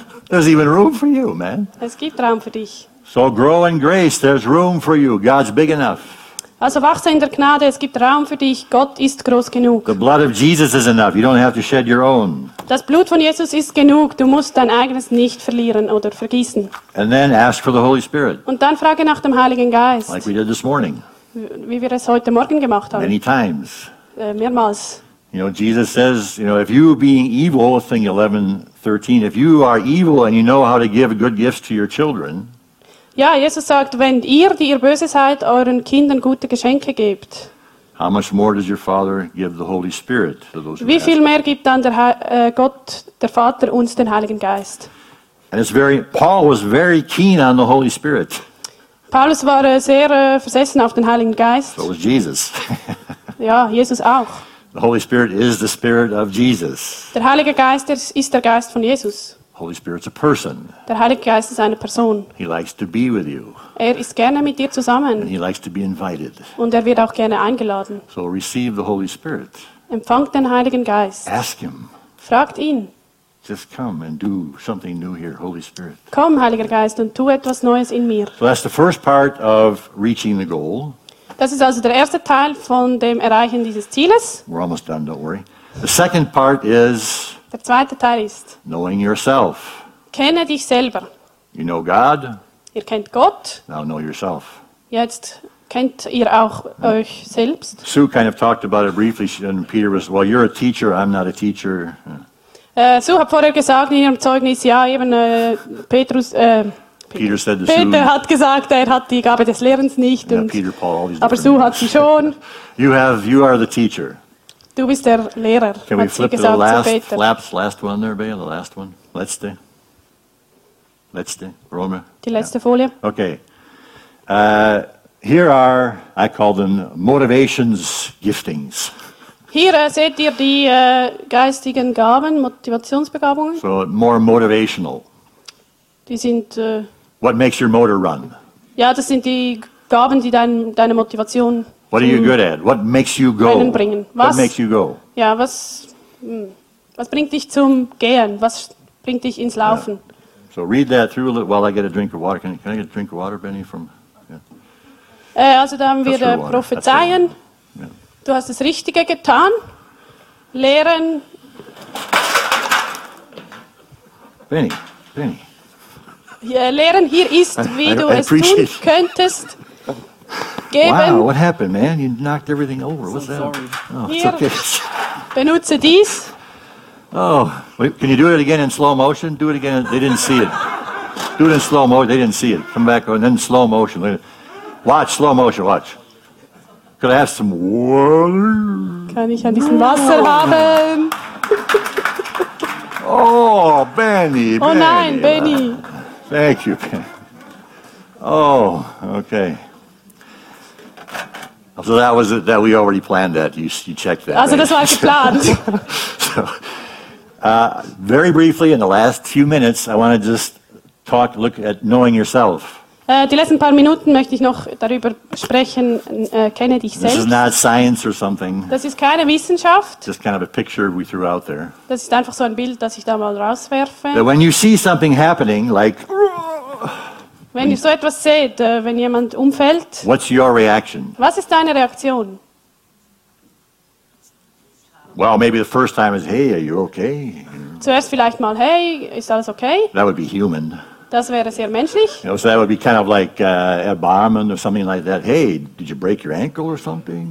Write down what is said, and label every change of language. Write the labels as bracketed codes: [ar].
[en] There's even room for you, man. [de] Es gibt Raum für dich. [en] So grow in grace. There's room for you. God's big enough. [de] Also wachse in der Gnade. Es gibt Raum für dich. Gott ist groß genug. [en] The blood of Jesus is enough. You don't have to shed your own. [de] Das Blut von Jesus ist genug. Du musst dein eigenes nicht verlieren oder vergießen. [en] And then ask for the Holy Spirit. [de] Und dann frage nach dem Heiligen Geist. [en] Like we did this morning. [de] Wie wir es heute Morgen gemacht haben. [en] Many times. [de] Mehrmals. [en] You know, Jesus says, you know, if you being evil, thing 11:13, if you are evil and you know how to give good gifts to your children. [de] Ja, Jesus sagt, wenn ihr, die ihr böse seid, euren Kindern gute Geschenke gebt. [en] How much more does your Father give the Holy Spirit to those who [de] Wie viel mehr gibt dann der Gott, der Vater, uns den Heiligen Geist? [en] And it's very, Paul was very keen on the Holy Spirit. [de] Paulus war sehr versessen auf den Heiligen Geist. [en] So was Jesus. [de] Ja, Jesus auch. [en] The Holy Spirit is the Spirit of Jesus. [de] Der Heilige Geist ist der Geist von Jesus. [en] Holy Spirit's a person. [de] Der Heilige Geist ist eine Person. [en] He likes to be with you. [de] Er ist gerne mit dir zusammen. [en] And he likes to be invited. [de] Und er wird auch gerne eingeladen. [en] So receive the Holy Spirit. [de] Empfangt den Heiligen Geist. [en] Ask him. [de] Fragt ihn. [en] Just come and do something new here, Holy Spirit. [de] Komm, Heiliger Geist, und tu etwas Neues in mir. [en] So that's the first part of reaching the goal. [de] Das ist also der erste Teil von dem Erreichen dieses Zieles. [en] We're almost done, don't worry. The second part is [de] Der zweite Teil ist [en] knowing yourself. [de] Kenne dich selber. [en] You know God. [de] Ihr kennt Gott. [en] Now know yourself. [de] Jetzt kennt ihr auch euch selbst. [en] Sue kind of talked about it briefly, and Peter was, well, you're a teacher, I'm not a teacher. [de] Sue hat vorher gesagt in ihrem Zeugnis, ja, eben Petrus. [en] Peter said to [de] Peter [en] Sue, [de] hat gesagt, er hat die Gabe des Lehrens nicht. [en] Yeah, [de] und, [en] Peter, Paul, [de] aber Sue hat sie schon. [en] You are the teacher. [de] Du bist der Lehrer. [en] Can we flip [de] gesagt, [en] the last one there, Bea? The last one. [de] Letzte. Roma. Die letzte Folie. [en] Okay. Here are, I call them, motivations giftings. [de] Hier seht ihr die geistigen Gaben, Motivationsbegabungen. [en] So more motivational. [de] Die sind. [en] What makes your motor run? [de] Ja, das sind die Gaben, die deine Motivation. [en] What are you good at? What makes you go? What makes you go? [de] Ja, was bringt dich zum Gehen? Was bringt dich ins Laufen? [en] Yeah. So read that through a little while I get a drink of water. Can I get a drink of water, Benny? From yeah. [de] Also da haben wir prophezeien. Du hast das Richtige getan. Lehren. [en] Benny. [de] Yeah, Lehren hier ist, wie du es tun könntest. Geben. [en] Wow, what happened, man? You knocked everything over. So what's that? Sorry. Oh, it's okay. [de] Benutze dies. [en] Oh, wait, can you do it again in slow motion? Do it again. They didn't see it. Do it in slow motion. They didn't see it. Come back and then slow motion. Watch, slow motion, watch. Could I have some water? [de] Kann ich ein bisschen Wasser haben? [en] Oh, Benny. [de] Oh, nein, Benny. [en] Thank you, Benny. Oh, okay. So that was it, that we already planned that. You checked that. [de] Also, das war geplant. [en] Very briefly, in the last few minutes, I want to just look at knowing yourself. [de] Die letzten paar Minuten möchte ich noch darüber sprechen, kenne dich selbst. [en] This is not science or something. [de] Das ist keine Wissenschaft. [en] Just kind of a picture we threw out there. [de] Das ist einfach so ein Bild, das ich da mal rauswerfe. [en] That when you see something happening, like. [de] Wenn ihr so etwas seht, wenn jemand umfällt. [en] What's your reaction? [de] Was ist deine Reaktion? [en] Well, maybe the first time is, hey, are you okay? [de] Zuerst vielleicht mal, hey, ist alles okay? [en] That would be human. [de] Das wäre sehr menschlich. [en] You know, so that would be kind of like erbarmen or something like that. Hey, did you break your ankle or something?